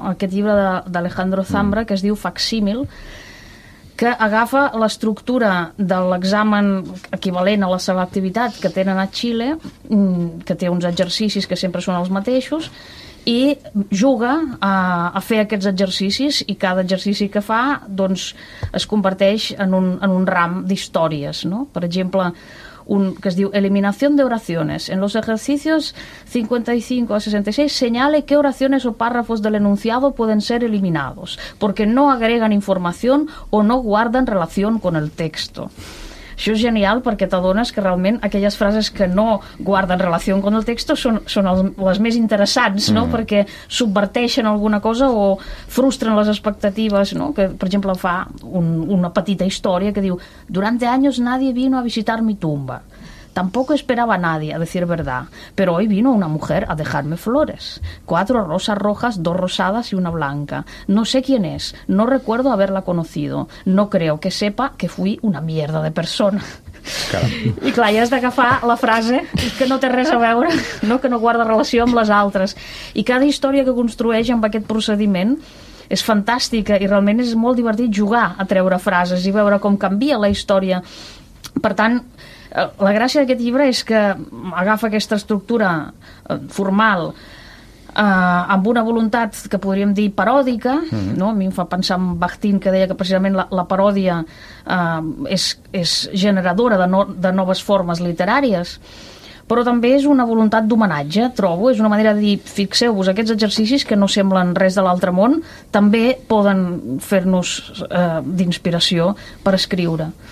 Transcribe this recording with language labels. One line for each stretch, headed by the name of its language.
Catalan: Aquest llibre d'Alejandro Zambra, que es diu Facsímil, que agafa l'estructura de l'examen equivalent a la selectivitat que tenen a Xile, que té uns exercicis que sempre són els mateixos, i juga a fer aquests exercicis, i cada exercici que fa doncs es converteix en un ram d'històries, no? Per exemple, un que es diu Eliminación de oraciones.
Spanish: En los ejercicios 55 a 66 señale qué oraciones o párrafos del enunciado pueden ser eliminados, porque no agregan información o no guardan relación con el texto.
Catalan: Això és genial, perquè t'adones que realment aquelles frases que no guarden relació amb el text són les més interessants, no? Perquè subverteixen alguna cosa o frustren les expectatives, no? Que, per exemple, fa una petita història que diu:
Spanish: durante años nadie vino a visitar mi tumba. Tampoco esperaba a nadie, a decir verdad, pero hoy vino una mujer a dejarme flores. 4 rosas rojas, 2 rosadas y 1 blanca. No sé quién es, no recuerdo haberla conocido. No creo que sepa que fui una mierda de persona.
Catalan: I clar, ja has d'agafar la frase que no té res a veure, no? Que no guarda relació amb les altres. I cada història que construeix amb aquest procediment és fantàstica, i realment és molt divertit jugar a treure frases i veure com canvia la història. Per tant, la gràcia d'aquest llibre és que agafa aquesta estructura formal amb una voluntat que podríem dir paròdica, no? A mi em fa pensar en Bakhtin, que deia que precisament la paròdia és generadora de noves formes literàries, però també és una voluntat d'homenatge, trobo, és una manera de dir, fixeu-vos, aquests exercicis que no semblen res de l'altre món també poden fer-nos d'inspiració per escriure.